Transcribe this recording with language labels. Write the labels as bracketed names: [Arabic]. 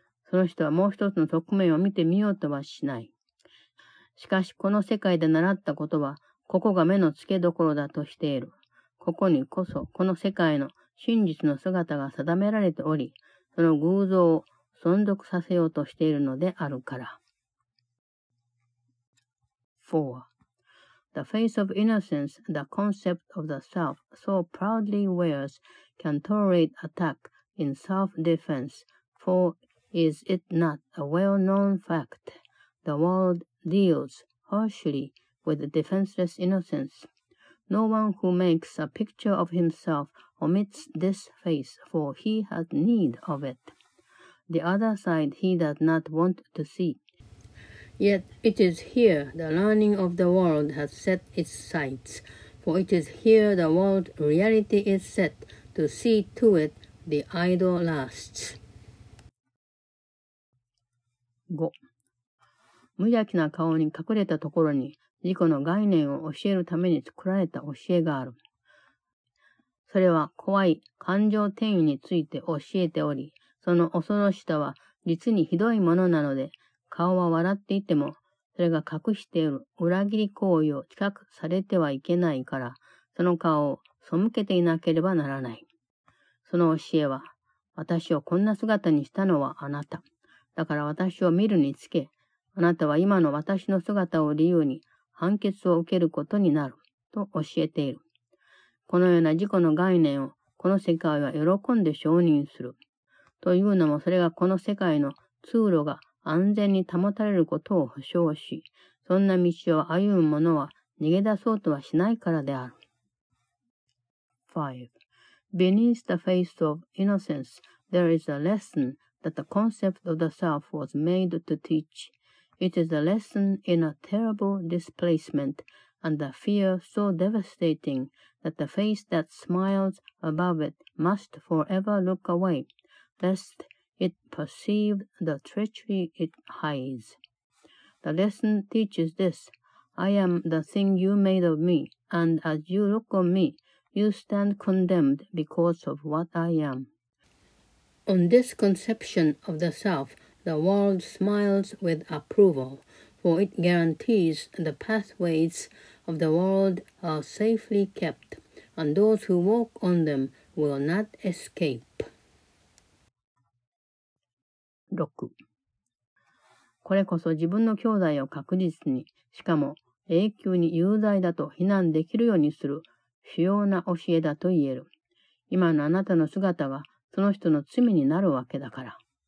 [Japanese] その人はもう一つの側面を見てみようとはしない。しかしこの世界で習ったことはここが目の付けどころだとしている。ここにこそこの世界の真実の姿が定められており、その偶像を存続させようとしているのであるから。 4. [English] The face of innocence, the concept of the self so proudly wears, can tolerate attack in self-defense, for is it not a well-known fact? The world deals harshly with defenseless innocence. No one who makes a picture of himselfOmits this face, for he had need of it. The other side he does not want to see. Yet it is here the learning of the world has set its sights, for it is here the world reality is set to see to it the idol lasts. 5. [Japanese] 無邪気な顔に隠れたところに自己の概念を教えるために作られた教えがある。それは怖い感情転移について教えており、その恐ろしさは実にひどいものなので、顔は笑っていても、それが隠している裏切り行為を知覚されてはいけないから、その顔を背けていなければならない。その教えは、私をこんな姿にしたのはあなた。だから私を見るにつけ、あなたは今の私の姿を理由に判決を受けることになる、と教えている。このような自己の概念をこの世界は喜んで承認する。というのもそれがこの世界の通路が安全に保たれることを保証し、そんな道を歩む者は逃げ出そうとはしないからである。 5. [English] Beneath the face of innocence, there is a lesson that the concept of the self was made to teach. It is a lesson in a terrible displacement and a fear so devastating. That the face that smiles above it must forever look away, lest it perceive the treachery it hides. The lesson teaches this: I am the thing you made of me, and as you look on me, you stand condemned because of what I am. On this conception of the self, the world smiles with approval, for it guarantees the pathways of the world are safely kept. And those who walk on them will not escape. 6. [Japanese] これこそ自分の兄弟を確実に、しかも永久に有罪だと非難できるようにする主要な教えだと言える。今のあなたの姿がその人の罪になるわけだから。